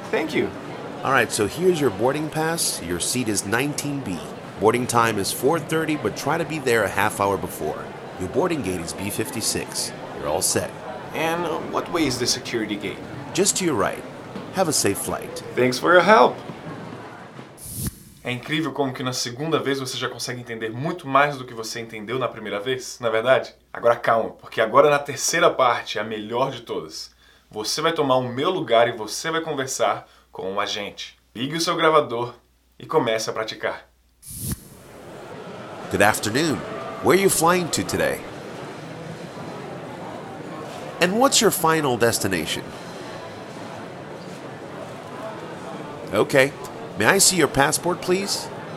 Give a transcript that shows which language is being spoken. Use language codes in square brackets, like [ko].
[en] Thank you. All right, so here's your boarding pass. Your seat is 19B. Boarding time is 4:30, but try to be there a half hour before. Your boarding gate is B56. You're all set. And what way is the security gate? Just to your right. Have a safe flight. Thanks for your help. [pt] É incrível como que na segunda vez você já consegue entender muito mais do que você entendeu na primeira vez, não é verdade? Agora calma, porque agora na terceira parte é a melhor de todas. Você vai tomar o meu lugar e você vai conversar com um agente. Ligue o seu gravador e comece a praticar. [en] Good afternoon. Where are you flying to today? And what's your final destination? Okay. May I see your passport, please?